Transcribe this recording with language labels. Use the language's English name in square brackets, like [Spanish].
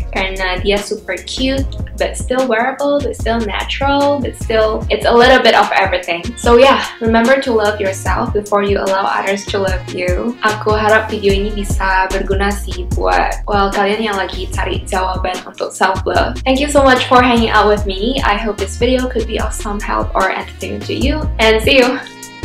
[Indonesian] Karena dia [English] super cute, but still wearable, but still natural, but still, it's a little bit of everything. So ya, yeah, remember to love yourself before you allow others to love you. [Indonesian] Aku harap video ini bisa berguna sih buat, well, kalian yang lagi cari jawaban untuk self-love. [English] Thank you so much for hanging out with me. I hope this video could be of some help or entertainment to you. And see you!